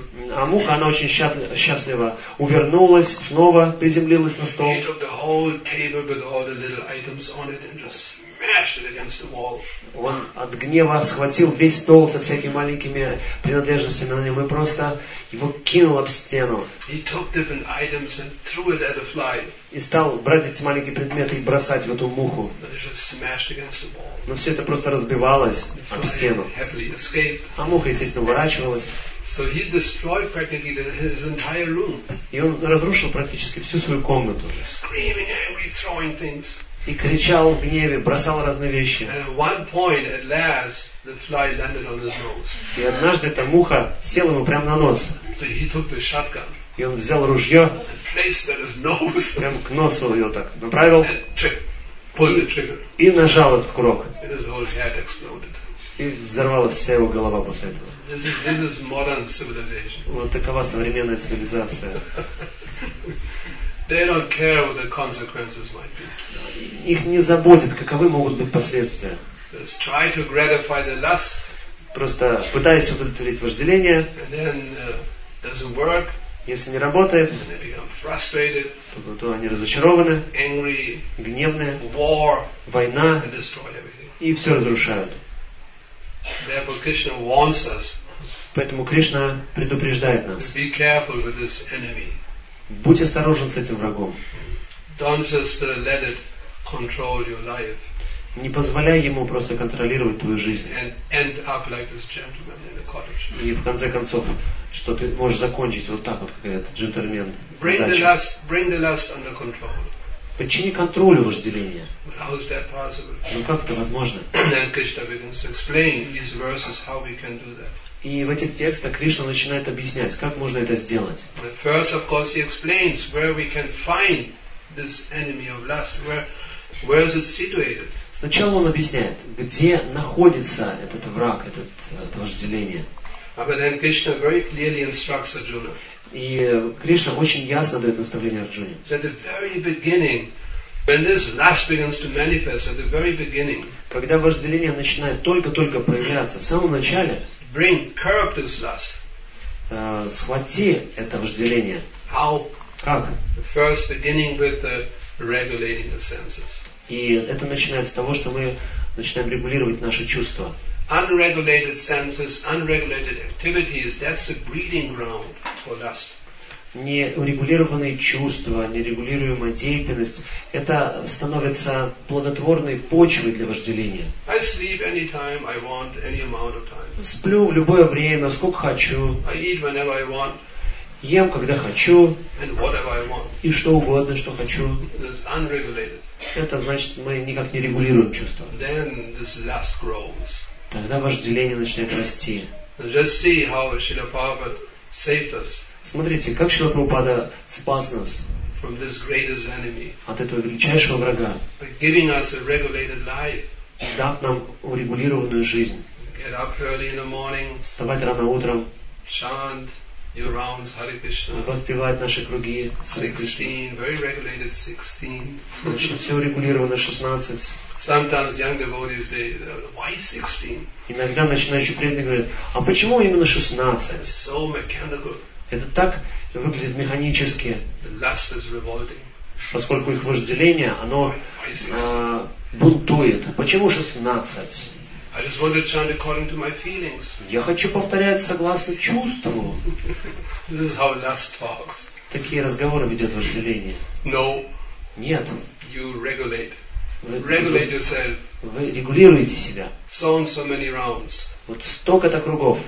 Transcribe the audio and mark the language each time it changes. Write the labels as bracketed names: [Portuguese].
[Russian] А муха, она очень счастливо увернулась, снова приземлилась на стол. [English] He took the whole table with all the little items on it and just smashed it against the wall. [Russian] Он от гнева схватил весь стол со всякими маленькими принадлежностями на нем и просто его кинул об стену. [English] He took different items and threw it at the fly. [Russian] И стал брать эти маленькие предметы и бросать в эту муху. [English] But it just smashed against the wall. [Russian] Но все это просто разбивалось [English] the fly [Russian] об стену. [English] Happily escaped. [Russian] А муха, естественно, уворачивалась. [English] So he destroyed practically his entire room. [Russian] И он разрушил практически всю свою комнату. [English] Screaming, angry, throwing things. [Russian] И кричал в гневе, бросал разные вещи. [English] At one point, at last, the fly landed on his nose. [Russian] И однажды эта муха села ему прямо на нос. [English] So he took the shotgun. [Russian] И он взял ружье. [English] And placed at his nose. [Russian] Прямо к носу ее так направил. [English] And pulled the trigger. [Russian] И нажал этот курок. [English] And his whole head exploded. [Russian] И взорвалась вся его голова после этого. [English] This is modern civilization. [Russian] Вот такова современная цивилизация. [English] They don't care what the consequences might be. [Russian] Их не заботит, каковы могут быть последствия. [English] Just try to gratify the lust. [Russian] Просто пытаясь удовлетворить вожделение. [English] And then doesn't work. [Russian] Если не работает, [English] and they become frustrated. [Russian] То они разочарованы. [English] Angry. [Russian] Гневные. [English] War. [Russian] Война. [English] And destroy everything. [Russian] И все разрушают. [English] Therefore, Krishna warns us. [Russian] Поэтому Кришна предупреждает нас. [English] Be careful with this enemy. [Russian] Будь осторожен с этим врагом. [English] Don't just let it control your life. [Russian] Не позволяй ему просто контролировать твою жизнь. [English] And end up like this gentleman in the cottage. [Russian] И в конце концов, что ты можешь закончить вот так вот, как этот джентльмен. [English] Bring the lust under control. [Russian] Подчини контролю вожделения. [English] How is that possible? [Russian] Ну как это возможно? [English] And Krishna begins to explain in these verses how we can do that. [Russian] И в этих текстах Кришна начинает объяснять, как можно это сделать. [English] First, of course, he explains where we can find this enemy of lust. Where is it situated? [Russian] Сначала он объясняет, где находится этот враг, это вожделение. [English] But then Krishna very clearly instructs Arjuna. [Russian] И Кришна очень ясно дает наставление Арджуне. [English] So at the very beginning, when this lust begins to manifest, at the very beginning. [Russian] Когда вожделение начинает только-только проявляться, в самом начале. [English] Bring, curb this lust. [Russian] Схвати это вожделение. [English] How? [Russian] Как? [English] First, beginning with regulating the senses. [Russian] И это начинается с того, что мы начинаем регулировать наши чувства. [English] Unregulated senses, unregulated activities, that's the breeding ground for lust. [Russian] Неурегулированные чувства, нерегулируемая деятельность, это становится плодотворной почвой для вожделения. [English] I sleep anytime I want, any amount of time. [Russian] Сплю в любое время, сколько хочу. [English] I eat whenever I want. [Russian] Ем, когда хочу. [English] And whatever I want. [Russian] И что угодно, что хочу. [English] It's unregulated. [Russian] Это значит, мы никак не регулируем чувства. [English] Then this lust grows. [Russian] Тогда вожделение начинает расти. [English] Just see how Srila Prabhupada saved us. [Russian] Смотрите, как Шрила Прабхупада спас нас [English] from this greatest enemy. [Russian] От этого величайшего врага. [English] By giving us a regulated life. [Russian] Дав нам урегулированную жизнь. [English] Get up early in the morning. [Russian] Вставать рано утром. [English] Chant your rounds, Hare Krishna. [Russian] Воспевать наши круги. [English] 16, very regulated 16. [Russian] Значит, все урегулировано 16. [English] Sometimes young devotees say, why 16? [Russian] Иногда начинающие преданные говорят, а почему именно 16? [English] It's so mechanical. [Russian] Это так выглядит механически. [English] The lust is revolting. [Russian] Поскольку их вожделение, оно бунтует. Почему 16? [English] I just want to chant according to my feelings. [Russian] Я хочу повторять согласно чувству. [English] This is how lust talks. [Russian] Такие разговоры ведет вожделение. [English] No. [Russian] Нет. [English] You regulate. Regulate yourself. [Russian] Вы регулируете себя. [English] So and so many rounds. [Russian] Вот столько-то кругов.